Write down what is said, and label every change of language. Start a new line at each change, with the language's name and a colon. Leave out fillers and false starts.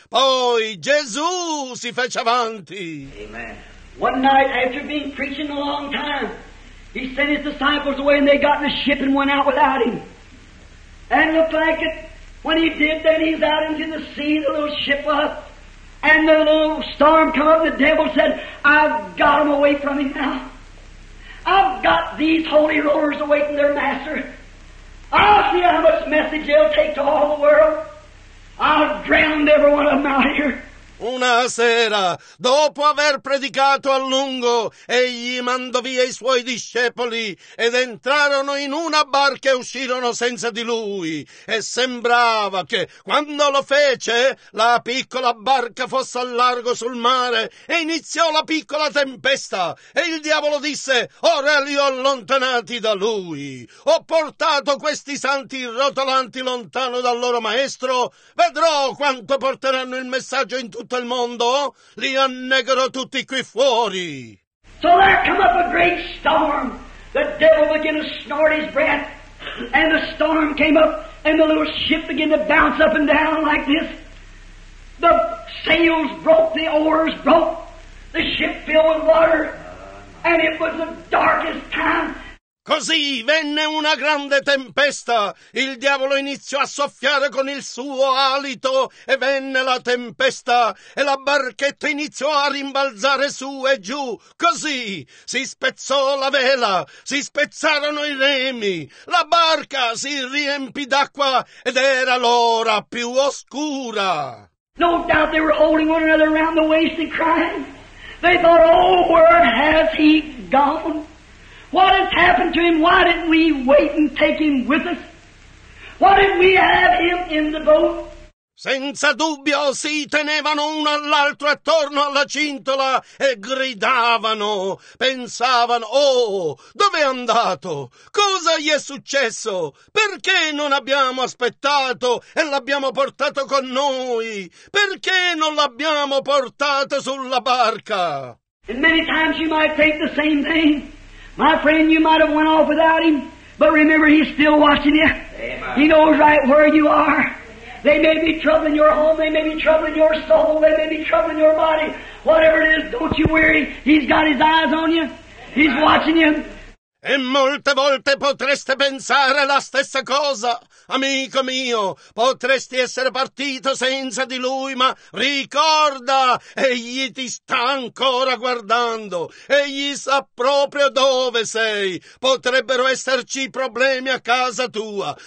Italian: Poi Gesù si fece avanti.
English: Amen. One night after being preaching a long time, He sent his disciples away and they got in the ship and went out without him. And look like it. When he did, then he's out into the sea, the little ship up. And the little storm come up, the devil said, I've got them away from him now. I've got these holy rollers away from their master. I'll see how much message they'll take to all the world. I'll drown every one of them out here.
Italian: Una sera, dopo aver predicato a lungo, egli mandò via i suoi discepoli ed entrarono in una barca e uscirono senza di lui. E sembrava che, quando lo fece, la piccola barca fosse al largo sul mare e iniziò la piccola tempesta. E il diavolo disse, ora li ho allontanati da lui. Ho portato questi santi rotolanti lontano dal loro maestro. Vedrò quanto porteranno il messaggio in tutto il mondo, li annegherò tutti qui fuori.
English: So there come up a great storm. The devil began to snort his breath, and the storm came up, and the little ship began to bounce up and down like this. The sails broke, the oars broke, the ship filled with water, and it was the darkest time.
Italian: Così venne una grande tempesta, il diavolo iniziò a soffiare con il suo alito e venne la tempesta e la barchetta iniziò a rimbalzare su e giù. Così si spezzò la vela, si spezzarono i remi, la barca si riempì d'acqua ed era l'ora più oscura.
English: No doubt they were holding one another around the waist and crying. They thought, oh, where has he gone? What has happened to him? Why didn't we wait and take him with us? Why didn't we have him in the boat?
Italian: Senza dubbio si tenevano uno all'altro attorno alla cintola e gridavano, pensavano, oh, dove è andato? Cosa gli è successo? Perché non abbiamo aspettato e l'abbiamo portato con noi? Perché non l'abbiamo portato sulla barca?
English: And many times you might take the same thing. My friend, you might have went off without him, but remember, he's still watching you. Amen. He knows right where you are. They may be troubling your home. They may be troubling your soul. They may be troubling your body. Whatever it is, don't you worry. He's got his eyes on you. He's watching you.
Italian: E molte volte potreste pensare la stessa cosa. Amico mio, potresti essere partito senza di lui, ma ricorda, egli ti sta ancora guardando. Egli sa proprio dove sei. Potrebbero esserci problemi a casa tua.